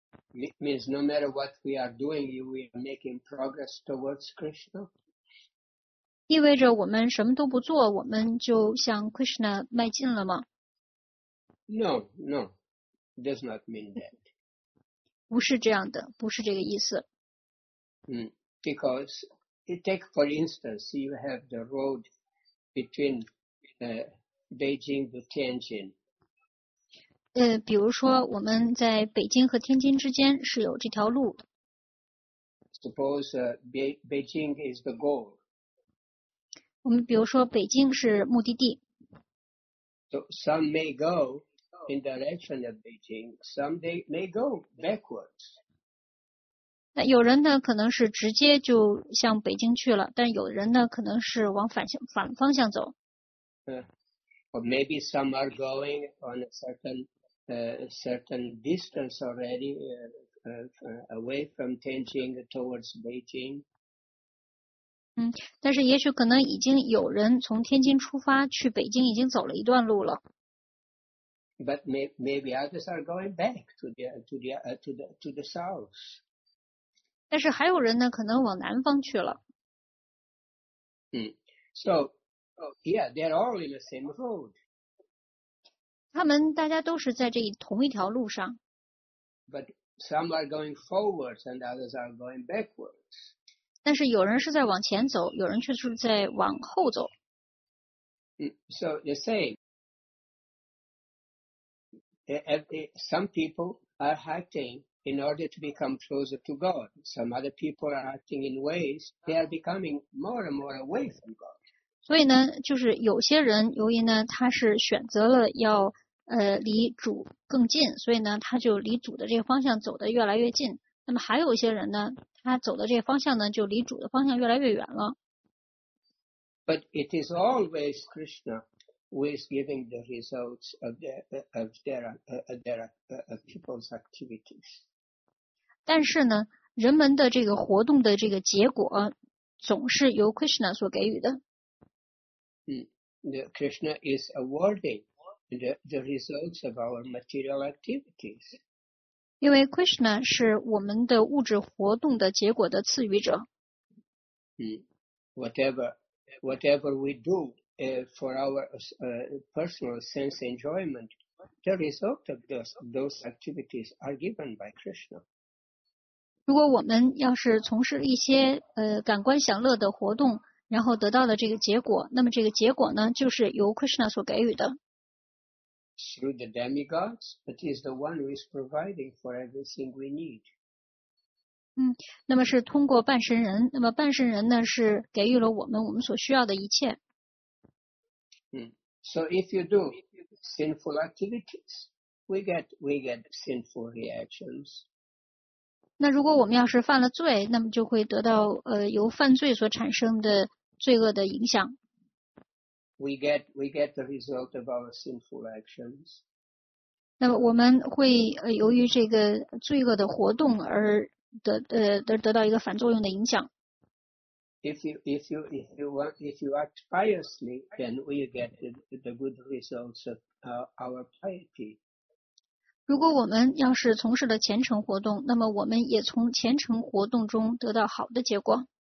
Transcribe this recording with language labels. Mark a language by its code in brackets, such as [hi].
[en] It means no matter what we are doing, we are making progress towards Krishna. [zh] 意味着我们什么都不做，我们就向 Krishna 迈进了吗？ [en] No, it does not mean that. [zh] 不是这样的，不是这个意思。 [en] Because, you take for instance, you have the road between Beijing to Tianjin. [zh] 比如说我们在北京和天津之间是有这条路的。 [en] Suppose Beijing is the goal. [zh] 我们比如说北京是目的地。 [en] So some may go in the direction of Beijing, some they may go backwards. [zh] 那有人呢可能是直接就向北京去了，但有人呢可能是往反方向走。 [en] Or maybe some are going on a certain distance already away from Tianjin towards Beijing. [zh] 但是也许可能已经有人从天津出发去北京已经走了一段路了。 [en] But maybe others are going back to the south. [zh] 但是还有人呢，可能往南方去了。 [en] They're all in the same road. [zh] 他们大家都是在这同一条路上。 [en] But some are going forwards and others are going backwards. [zh] 但是有人是在往前走，有人却是在往后走。 [en] So the same. Some people are acting in order to become closer to God. Some other people are acting in ways they are becoming more and more away from God. [zh] 所以呢，就是有些人由于呢，他是选择了要离主更近，所以呢他就离主的这个方向走得越来越近。那么还有一些人呢，他走的这个方向呢就离主的方向越来越远了。 [en] But it is always Krishna who is giving the results of their people's activities. [zh] 但是呢人们的这个活动的这个结果总是由 Krishna 所给予的。 [en] Krishna is awarding the results of our material activities. [zh] 因为 Krishna 是我们的物质活动的结果的赐予者。 [en] Whatever we do for our personal sense enjoyment, the result of those activities are given by Krishna. [zh] 如果我们要是从事一些感官享乐的活动，然后得到的这个结果，那么这个结果呢，就是由 Krishna 所给予的。 [en] Through the demigods, but he is the one who is providing for everything we need. [zh] 那么是通过半神人，那么半神人呢是给予了我们所需要的一切。 [en] So if you do sinful activities, we get sinful reactions. [zh] 那如果我们要是犯了罪，那么就会得到由犯罪所产生的罪恶的影响。 [en] We get the result of our sinful actions. [zh] 那么我们会由于这个罪恶的活动而得到一个反作用的影响。 [en] If you act piously, then we get the good results of our piety. [zh] 如果我们要是从事了虔诚活动，那么我们也从虔诚活动中得到好的结果。